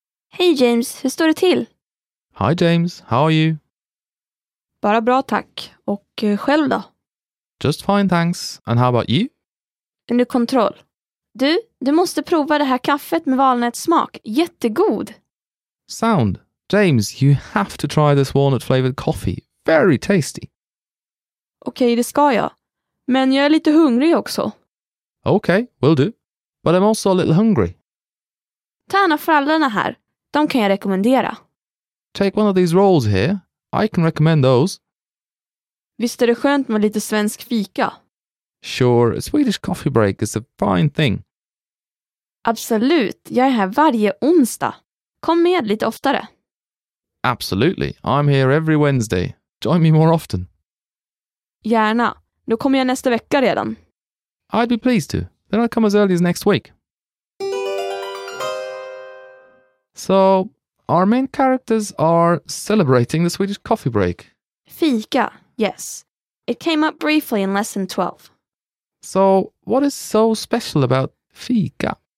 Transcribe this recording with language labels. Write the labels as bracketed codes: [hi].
[sv] Hej James, hur står det till? [en] Hi James, how are you? [sv] Bara bra tack. Och själv då? [en] Just fine, thanks. And how about you? [sv] Under kontroll. Du måste prova det här kaffet med valnötssmak. Jättegod. [en] Sound. James, you have to try this walnut-flavored coffee. Very tasty. [sv] Okej, det ska jag. Men jag är lite hungrig också. [en] Okej, will do. But I'm also a little hungry. [sv] Ta en av frallorna här. De kan jag rekommendera. [en] Take one of these rolls here. I can recommend those. [sv] Visst är det skönt med lite svensk fika? [en] Sure, a Swedish coffee break is a fine thing. [sv] Absolut, jag är här varje onsdag. Kom med lite oftare. [en] Absolutely, I'm here every Wednesday. Join me more often. [sv] Gärna, då kommer jag nästa vecka redan. [en] I'd be pleased to. Then I'll come as early as next week. So, our main characters are celebrating the Swedish coffee break. Fika, yes. It came up briefly in lesson 12. So, what is so special about fika?